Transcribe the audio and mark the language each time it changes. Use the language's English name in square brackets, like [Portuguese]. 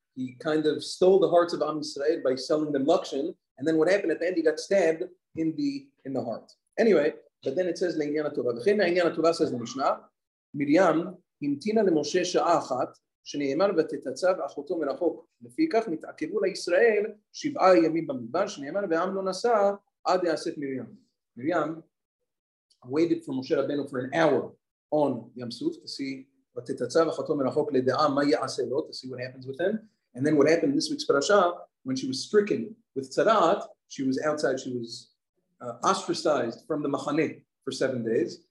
[English] He kind of stole the hearts of Am Yisrael by selling them lakshin, and then what happened at the end, he got stabbed in the heart. Anyway, but then it says, [Hebrew] le'inyan ha'tova. V'chein me'inyan ha'tova, says the Mishnah, Miriam himtina le'moshe sha'a achat, שנאמר ותתצב אחותו מרחוק. לפיכך מתעכבו לישראל שבעה ימים במדבר, שנאמר ועם לא נסע עד יעשית מרים. [English] מרים waited for Moshe Rabbeinu for an hour on Yam Suf to see [Hebrew] ותתצב אחותו מרחוק לדעה מה יעשה לו, [English] to see what happens with him. And then what happened in this week's parasha, when she was stricken with tzaraat, she was outside, she was ostracized from the machane for 7 days.